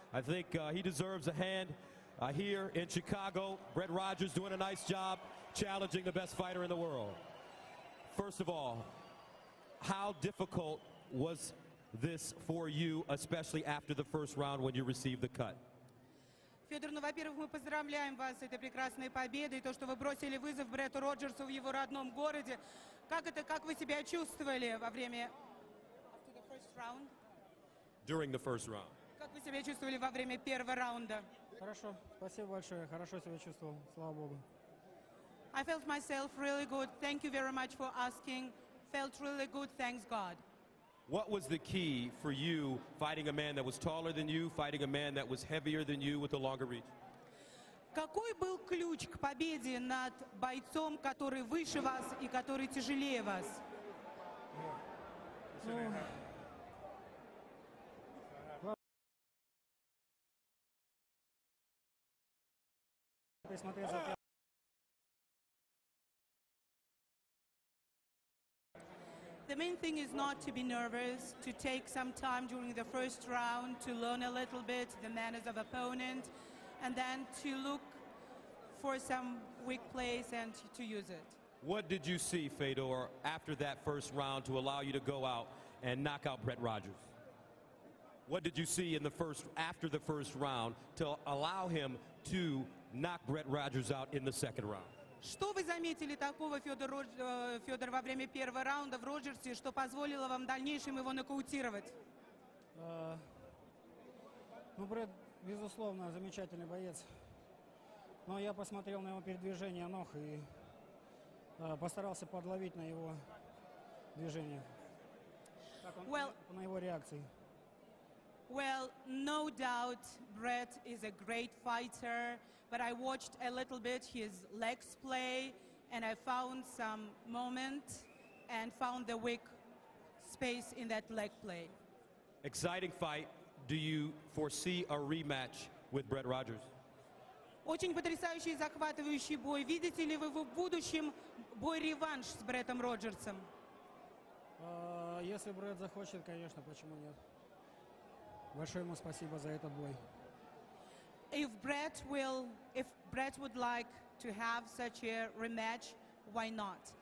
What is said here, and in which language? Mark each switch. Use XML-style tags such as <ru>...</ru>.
<en>I think he deserves a hand here in Chicago. Brett Rogers doing a nice job challenging the best fighter in the world. First of all, how difficult was this for you, especially after the first round when you received the cut?</en> <ru>Федор, ну, во-первых, мы поздравляем вас с этой прекрасной победой, то, что вы бросили вызов Бретту Роджерсу в его родном городе. Как вы себя чувствовали во время...</ru> <en>After the first round? During the first round.</en> <ru>Как вы себя чувствовали во время первого раунда? Хорошо, спасибо большое, хорошо себя чувствовал, слава Богу.</ru> <en>I felt myself really good, thank you very much for asking. Felt really good, thanks God. What was the key for you fighting a man that was taller than you, fighting a man that was heavier than you with a longer reach?</en> <ru>Какой был ключ к победе над бойцом, который выше вас и который тяжелее вас?</ru> <en>The main thing is not to be nervous, to take some time during the first round to learn a little bit the manners of opponent, and then to look for some weak place and to use it. What did you see, Fedor, after that first round to allow you to go out and knock out Brett Rogers? What did you see in the first, after the first round to allow him to knock Brett Rogers out in the second round?</en> <ru>Что вы заметили такого, Федор, во время первого раунда в Роджерсе, что позволило вам в дальнейшем его нокаутировать? Ну, Брэд, безусловно, замечательный боец. Но я посмотрел на его передвижение ног и постарался подловить на его движение, на его реакции.</ru> <en>Well, no doubt Brett is a great fighter, but I watched a little bit his legs play and I found some moment and found the weak space in that leg play. Exciting fight. Do you foresee a rematch with Brett Rogers?</en> <ru>Очень потрясающий и захватывающий бой. Видите ли вы в будущем бой-реванш с Бреттом Роджерсом? Если Брэд захочет, конечно, почему нет? Большое ему спасибо за этот бой.</ru> <en>If Brett would like to have such a rematch, why not?</en>